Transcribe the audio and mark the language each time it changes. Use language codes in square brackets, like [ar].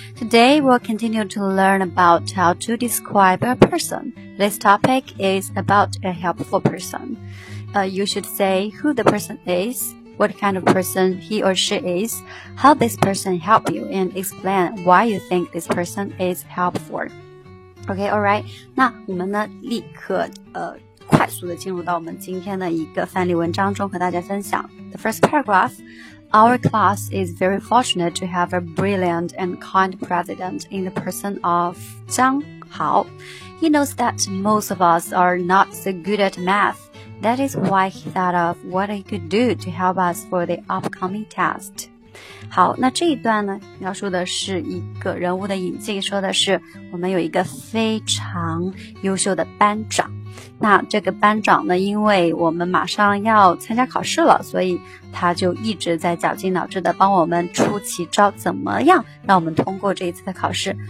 [en] Today we'll continue to learn about how to describe a person. This topic is about a helpful person. You should say who the person is. What kind of person he or she is, how this person help you, and explain why you think this person is helpful. Okay, alright. [zh] 那我们呢立刻快速的进入到我们今天的一个范例文章中和大家分享。 [en] The first paragraph, our class is very fortunate to have a brilliant and kind president in the person of 张豪. He knows that most of us are not so good at math. That is why he thought of what he could do to help us for the upcoming test. [zh] 好，那这一段呢，描述的是一个人物的引进，说的是我们有一个非常优秀的班长。那这个班长呢，因为我们马上要参加考试了，所以他就一直在绞尽脑汁的帮我们出奇招，怎么样让我们通过这一次的考试。